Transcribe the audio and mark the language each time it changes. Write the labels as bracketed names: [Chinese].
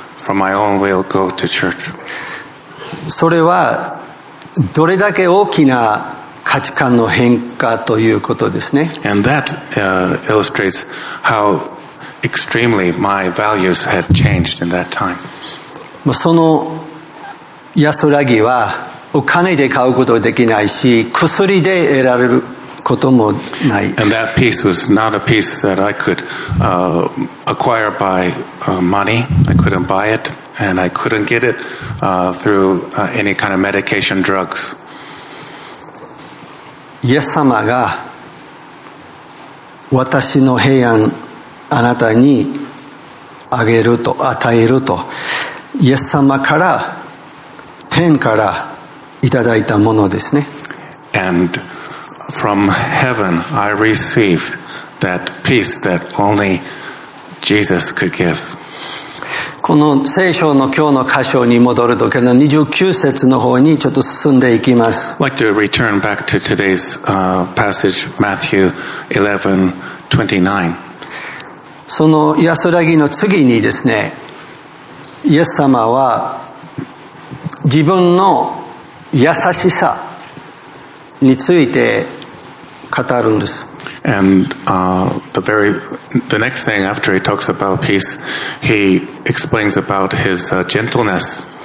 [English] From my own will, go to church. [Japanese] それはどれだけ大きな価値観の変化ということですね。 [English] And that illustrates how extremely my values had changed in that time. [Japanese] その安らぎはお金で買うことできないし、薬で得られることもない。 [English] And that peace was not a peace that I could acquire by money. I couldn't buy it, and I couldn't get it through any kind of medication drugs. [Japanese] イエス様が私の平安あなたにあげると与えると、イエス様から天からいただいたものですね。 [English] AndFrom heaven, I received that peace that only Jesus could give. [Japanese] この聖書の今日の箇所に戻るときの29節の方にちょっと進んでいきます。 [English] I'd like to return back to today's passage, Matthew 11:29. [Japanese] その安らぎの次にですね、イエス様は自分の優しさについて語るんです。 [English] And the next thing after he talks about peace, he explains about his gentleness.